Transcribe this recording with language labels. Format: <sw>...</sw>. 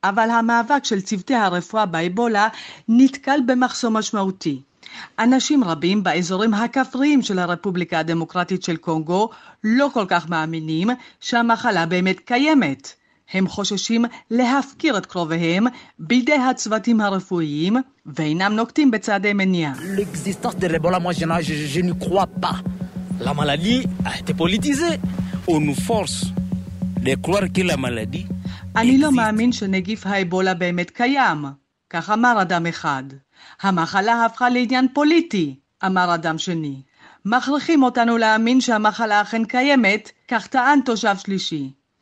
<he>אבל המאבק של צוותי הרפואה באבולה נתקל במחסום משמעותי. אנשים רבים באזורים הכפריים של הרפובליקה הדמוקרטית של קונגו לא כל כך מאמינים שהמחלה באמת קיימת. הם חוששים להפקיר את קרוביהם בידי הצוותים הרפואיים ואינם נוקטים בצעדי מניעה.</he> <fr>L'existence de l'Ebola, moi je ne crois pas. La maladie a été politisée. On nous force de croire que la maladie existe.</fr> <he>אני לא מאמין שנגיף האבולה באמת קיים, כך אמר אדם אחד. המחלה הפכה לעניין פוליטי, אמר אדם שני. מכריחים אותנו להאמין שהמחלה אכן קיימת, כך טען תושב שלישי.</he>